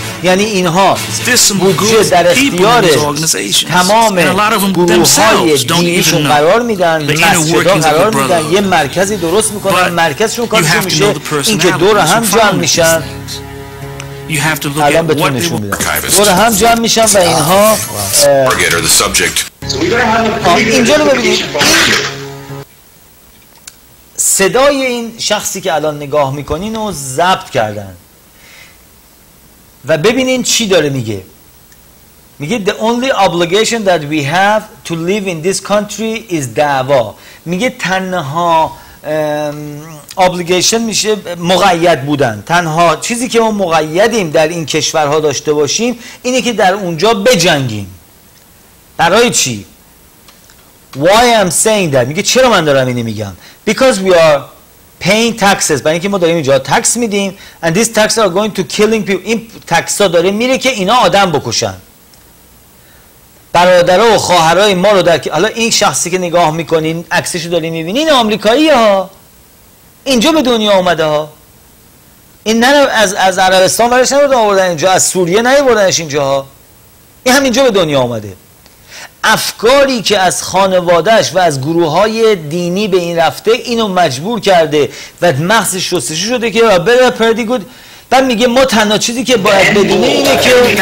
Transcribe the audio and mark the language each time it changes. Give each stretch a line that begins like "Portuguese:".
Persian: یعنی اینها بودجه در اختیار تمام گروه های دینیشون قرار میدن، مسجد ها قرار میدن، یه مرکزی درست میکنن، مرکزشون کارشون میشه این که دور هم جمع میشن، الان به تو نشون میدن دور هم جمع میشن و اینها اینجا رو ببینید. صدای این شخصی که الان نگاه میکنین رو ضبط کردن و ببینین چی داره میگه. میگه
English: the only obligation that we have to live in this country is da'wa.
Persian: میگه تنها obligation میشه مقید بودن، تنها چیزی که ما مقیدیم در این کشورها داشته باشیم اینه که در اونجا بجنگیم. برای چی؟
English: why I'm saying that.
Persian: میگه چرا من دارم اینو میگم؟
English: because we are paying taxes
Persian: برای اینکه ما داریم اینجا تکس میدیم
English: and these taxes are going to killing people.
Persian: این تکس ها داره میره که اینا آدم بکشن برادرها و خواهرای ما رو در حالا این شخصی که نگاه میکنین عکسش رو دارین میبینین آمریکایی ها اینجا به دنیا اومده ها این نه از عربستان برش نبود آوردن اینجا از سوریه نیوردنش اینجا ها این همینجا به دنیا اومده افکاری که از خانوادهش و از گروه های دینی به این رفته اینو مجبور کرده و مغزش شستشو شده که بره پردی گود بعد میگه ما تنها چیزی که باید بدونه اینه که